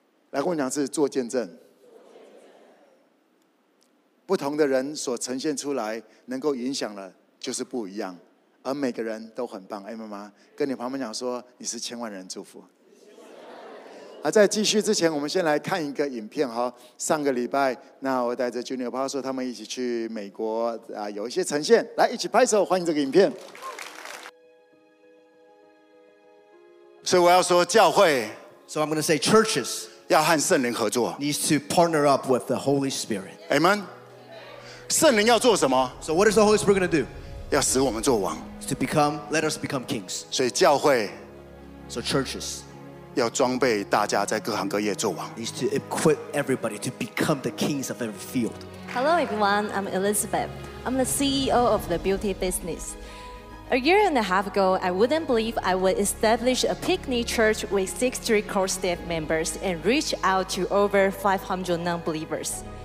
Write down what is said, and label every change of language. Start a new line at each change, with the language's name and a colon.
Chinese: 来跟我讲是做见证，不同的人所呈现出来能够影响的就是不一样，而每个人都很棒。哎，妈妈跟你旁边讲说，你是千万人祝福。在继续之前，我们先来看一个影片。上个礼拜那我带着 Junior Pastor 他们一起去美国，有一些呈现，来一起拍手欢迎这个影片。所以我要说教会，
English: So I'm going to say churches
Chinese: 要和圣灵合作，
English: needs to partner up with the Holy Spirit.
Chinese: Amen. 圣灵要做什么？
English: So what is the Holy Spirit going to do?
Chinese: 要使我们做王，
English: to become, let us become kings.
Chinese: 所以教会，
English: So churches
Chinese: 要装备大家在各行各业做王，
English: needs to equip everybody to become the kings of every field. Hello everyone, I'm Elizabeth. I'm the CEO of the beauty business. A year and a half ago, I wouldn't believe I would establish a picnic church with 63 core staff members and reach out to over 500 non-believers.